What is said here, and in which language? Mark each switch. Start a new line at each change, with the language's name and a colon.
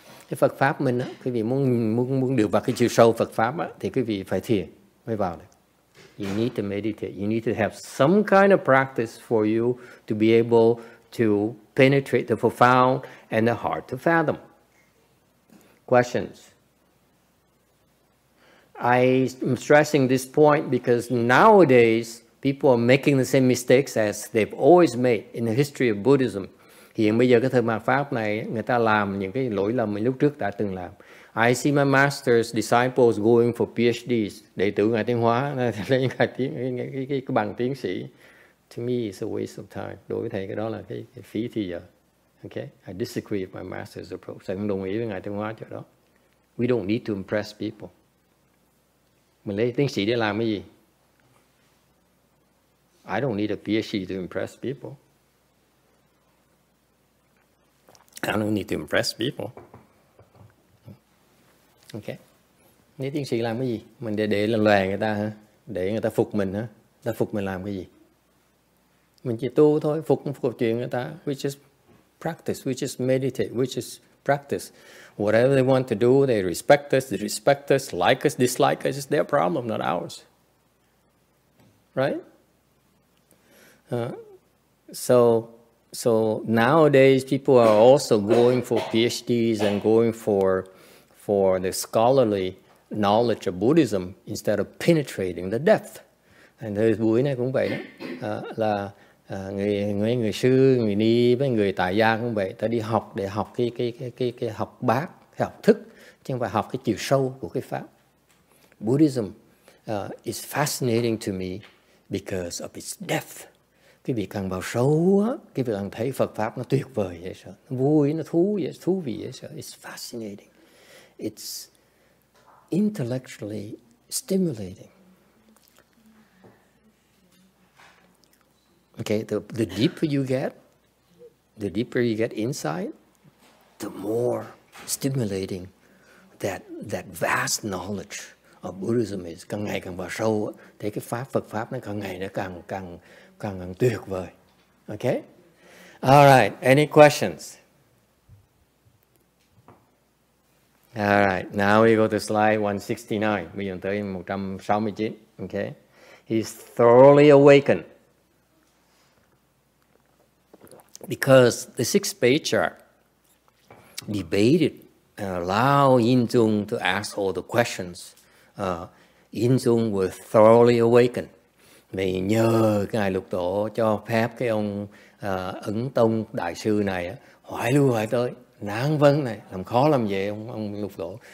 Vietnamese: Cái Phật pháp mình á, quý vị muốn được vào cái chiều sâu Phật pháp á, thì quý vị phải thiền mới vào được.
English: You need to meditate. You need to have some kind of practice for you to be able to penetrate the profound and the hard to fathom. Questions? I am stressing this point because nowadays people are making the same mistakes as they've always made in the history of Buddhism.
Vietnamese: Hiện bây giờ cái thời mạt pháp này người ta làm những cái lỗi lầm lúc trước đã từng làm.
English: I see my master's disciples going for PhDs.
Vietnamese: Đệ tử ngài tiến hóa lấy cái bằng tiến sĩ.
English: To me, it's a waste of time.
Vietnamese: Đối với thầy cái đó là cái phí thì giờ.
English: Okay, I disagree with my master's approach.
Vietnamese: Tôi không đồng ý với ngài tiến hóa chỗ đó.
English: We don't need to impress people.
Vietnamese: Mình lấy tiến sĩ để làm cái gì?
English: I don't need a PhD to impress people. I don't need to impress people.
Vietnamese: OK. Nếu tiến sĩ làm cái gì? Mình để lần lòe người ta hả? Để người ta phục mình hả? Ta phục mình làm cái gì? Mình chỉ tu thôi, phục cũng phục chuyện người ta.
English: We just practice, we just meditate, we just practice. Whatever they want to do, they respect us, they respect us, like us, dislike us, it's their problem, not ours. Right? So nowadays people are also going for PhDs and going for the scholarly knowledge of Buddhism instead of penetrating the depth.
Vietnamese: And thời buổi này cũng vậy đó, người sư, người ni với người tại gia cũng vậy, ta đi học để học cái học bát, cái học thức, chứ không phải học cái chiều sâu của cái pháp.
English: Buddhism is fascinating to me because of its depth.
Vietnamese: Cái việc càng vào sâu á, cái việc càng thấy Phật pháp nó tuyệt vời vậy sao, nó vui, nó thú vậy, thú vị vậy sao.
English: It's fascinating, it's intellectually stimulating. Okay, the deeper you get, the deeper you get inside, the more stimulating that vast knowledge of Buddhism is.
Vietnamese: Càng ngày càng vào sâu á, thấy cái pháp Phật pháp nó càng ngày nó càng tuyệt vời.
English: Okay? All right. Any questions? All right. Now we go to slide 169.
Vietnamese: Bây giờ tới 169.
English: Okay? He's thoroughly awakened. Because the 6th patriarch debated, allow Yin Zung to ask all the questions. Yin Zung was thoroughly awakened.
Vietnamese: Vì nhờ Ngài Lục Tổ cho phép cái ông Ấn Tông Đại Sư này hỏi lưu hỏi tới, nán vấn này, làm khó làm vậy ông Lục Tổ.